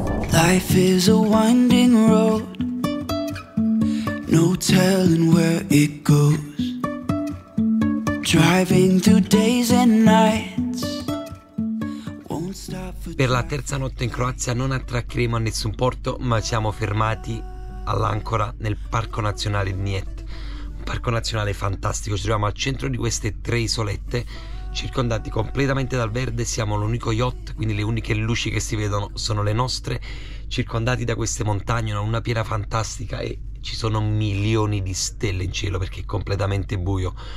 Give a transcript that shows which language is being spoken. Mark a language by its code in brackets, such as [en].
[en] Life is a winding road, no telling where it goes. Driving through days and nights, won't stop for... [it] Per la terza notte in Croazia non attraccheremo a nessun porto, ma siamo fermati all'ancora nel Parco Nazionale Mljet. Un parco nazionale fantastico. Ci troviamo al centro di queste tre isolette, circondati completamente dal verde. Siamo l'unico yacht, quindi le uniche luci che si vedono sono le nostre, circondati da queste montagne, una piena fantastica, e ci sono milioni di stelle in cielo perché è completamente buio.